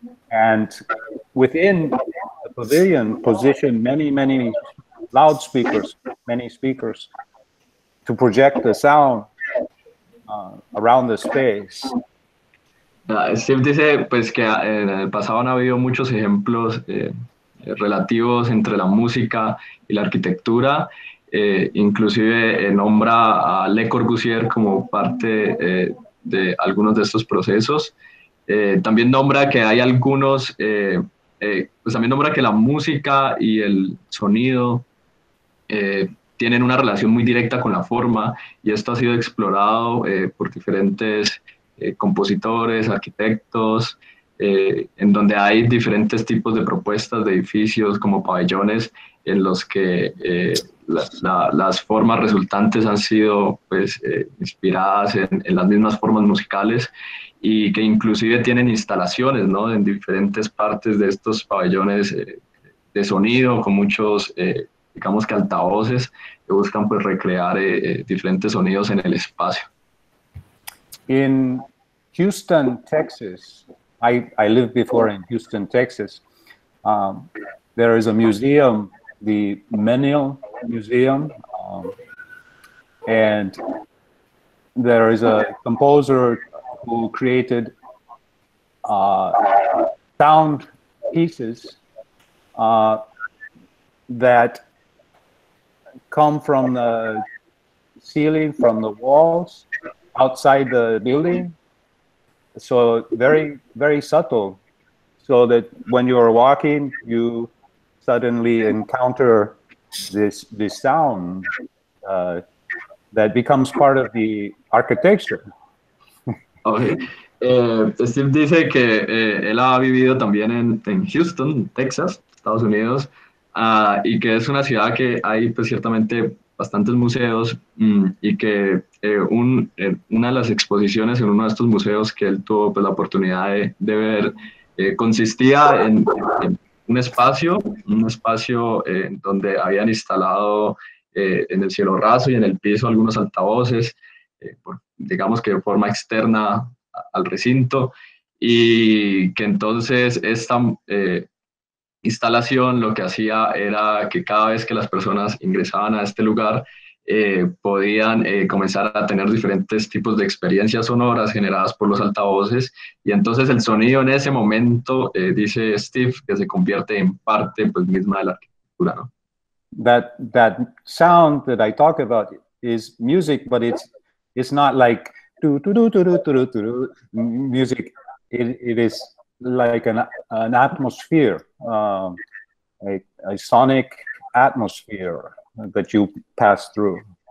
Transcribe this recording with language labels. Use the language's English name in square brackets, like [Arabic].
[English] And within the pavilion positioned many, many loudspeakers, many speakers to project the sound around the space. [Spanish] Steve dice pues que en el pasado han habido muchos ejemplos relativos entre la música y la arquitectura, inclusive nombra a Le Corbusier como parte de algunos de estos procesos. También nombra que hay algunos, pues también nombra que la música y el sonido tienen una relación muy directa con la forma, y esto ha sido explorado por diferentes compositores, arquitectos, en donde hay diferentes tipos de propuestas de edificios como pabellones, en los que las formas resultantes han sido pues, inspiradas en las mismas formas musicales, y que inclusive tienen instalaciones, ¿no?, en diferentes partes de estos pabellones de sonido, con muchos, digamos que altavoces, que buscan pues, recrear diferentes sonidos en el espacio. [English] In Houston, Texas, I lived before in Houston, Texas, there is a museum, the Menil Museum, and there is a composer who created sound pieces that come from the ceiling, from the walls, outside the building, so very, very subtle, so that when you are walking, you suddenly encounter this sound that becomes part of the architecture. Okay. [Spanish] Steve dice que él ha vivido también en Houston, Texas, Estados Unidos, y que es una ciudad que hay pues ciertamente bastantes museos, y que una de las exposiciones en uno de estos museos que él tuvo pues, la oportunidad de ver consistía en un espacio donde habían instalado en el cielo raso y en el piso algunos altavoces, digamos que de forma externa al recinto, y que entonces esta instalación lo que hacía era que cada vez que las personas ingresaban a este lugar podían comenzar a tener diferentes tipos de experiencias sonoras generadas por los altavoces, y entonces el sonido en ese momento, dice Steve, que se convierte en parte pues misma de la arquitectura, ¿no? [English] That sound that I talk about is music, but it's not like do do do do do do do music. It is like an atmosphere, a sonic atmosphere that you pass through.